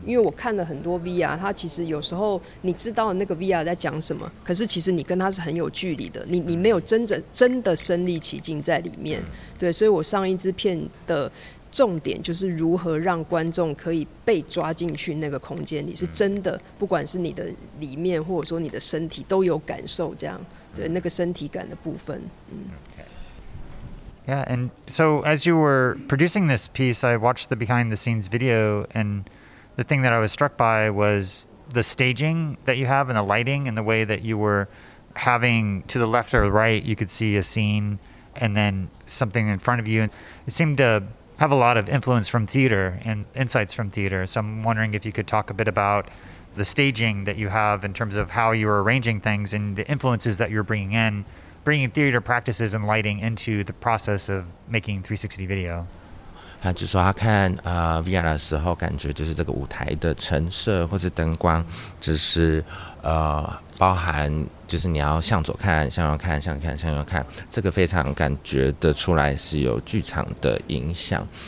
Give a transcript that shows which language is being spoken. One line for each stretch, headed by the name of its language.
Chinese: 因为我看了很多 VR， 它其实有时候你知道那个 VR 在讲什么，可是其实你跟它是很有距离的，你没有真的身临其境在里面。对，所以我上一支片的重点就是如何让观众可以被抓进去那个空间，你是真的，不管是你的里面或者说你的身体都有感受，这样。对，那个身体感的部分。
English: Yeah, and so as you were producing this piece, I watched the behind the scenes video, and the thing that I was struck by was the staging that you have and the lighting and the way that you were having to the left or the right, you could see a scene and then something in front of you. It seemed to have a lot of influence from theater and insights from theater. So I'm wondering if you could talk a bit about the staging that you have in terms of how you're arranging things and the influences that you're bringing in, bringing theater practices and lighting into the process of making 360 video.
Chinese: 他就说他看VR 的时候，感觉就是这个舞台的陈设或是灯光，就是包含就是你要向左看、向右看、向看、向右看，这个非常感觉得出来是有剧场的影响。